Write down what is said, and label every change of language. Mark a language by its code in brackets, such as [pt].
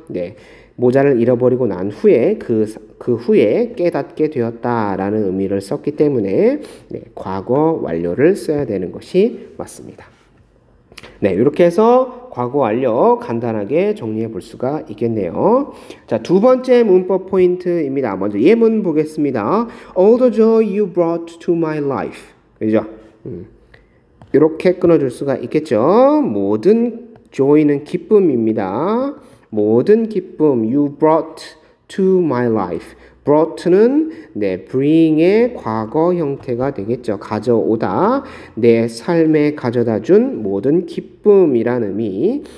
[ko] 네, 모자를 잃어버리고 난 후에 그 후에 깨닫게 되었다라는 의미를 썼기 때문에 네, 과거 완료를 써야 되는 것이 맞습니다. 네, 이렇게 해서 과거 완료 간단하게 정리해 볼 수가 있겠네요. 자, 두 번째 문법 포인트입니다. 먼저 예문 보겠습니다. [en] All the joy you brought to my life. [ko] 그죠? 이렇게 끊어줄 수가 있겠죠. 모든 joy는 기쁨입니다. 모든 기쁨 [en] you brought to my life. [ko] brought는 네, bring의 과거 형태가 되겠죠. 가져오다, 내 삶에 가져다 준 모든 기쁨이라는 의미.